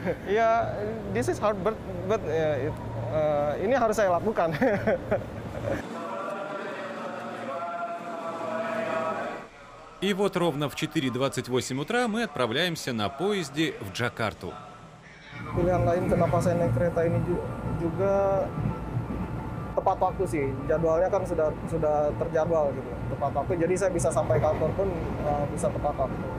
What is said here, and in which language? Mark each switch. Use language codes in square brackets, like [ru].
[en] Yeah, this is hard, but [id] ini harus saya lakukan. [ru] И вот ровно в 4:28 утра мы отправляемся на поезде в Джакарту. [id] Pilihan lain kenapa saya naik kereta ini juga tepat waktu sih, jadwalnya kan sudah terjadwal gitu, tepat waktu, jadi saya bisa sampai kantor pun bisa tepat waktu.